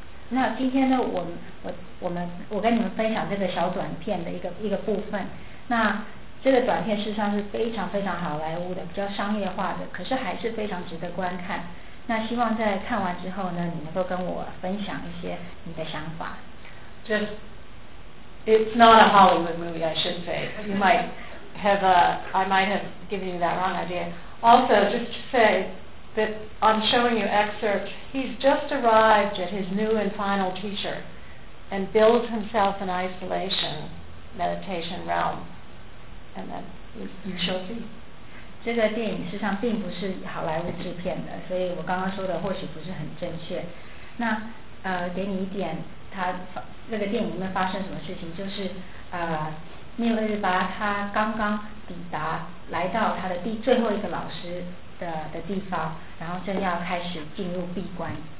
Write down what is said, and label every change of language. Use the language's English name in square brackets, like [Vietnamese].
[Chinese] 那今天呢，我跟你们分享这个小短片的一个部分。那这个短片事实上是非常非常好莱坞的，比较商业化的，可是还是非常值得观看。那希望在看完之后呢，你能够跟我分享一些你的想法。 [English] Just, it's not a Hollywood movie, I should say. You might have I might have given you that wrong idea. Also, just to say that I'm showing you excerpts, he's just arrived at his new and final teacher and builds himself an isolation meditation realm. And then you shall see. [Chinese] 这个电影事实上并不是好莱坞制片的，所以我刚刚说的或许不是很正确。那给你一点他那个电影里面发生什么事情，就是密勒日巴他刚刚抵达，来到他的最后一个老师的地方，然后正要开始进入闭关。